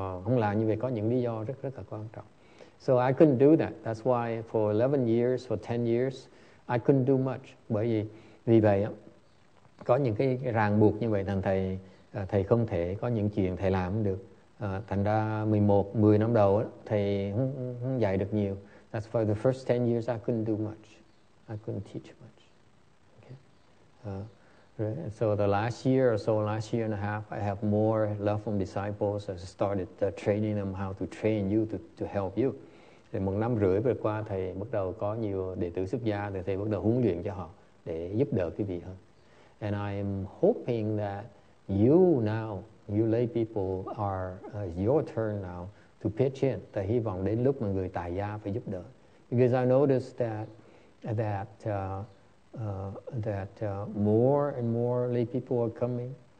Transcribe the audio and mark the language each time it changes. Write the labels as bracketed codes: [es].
[vi] Không làm như vậy có những lý do rất rất là quan trọng. [en] So I couldn't do that. That's why for 11 years, for 10 years, I couldn't do much. [vi] Bởi vì vì vậy á, có những cái ràng buộc như vậy thành thầy thầy không thể có những chuyện thầy làm không được. Thành ra 11, 10 năm đầu thầy không dạy được nhiều. [en] That's why the first 10 years I couldn't do much. I couldn't teach much. Okay. Right. So the last year or so, last year and a half, I have more love from disciples. I started training them how to train you to help you. [vi] Thì một năm rưỡi vừa qua thầy bắt đầu có nhiều đệ tử xuất gia, thì thầy bắt đầu huấn luyện cho họ để giúp đỡ quý vị hơn. [en] And I am hoping that you now, you lay people, are your turn now to pitch in. [vi] Ta hy vọng đến lúc mà người tài gia phải giúp đỡ. [en] Because I noticed that more and more lay people are coming.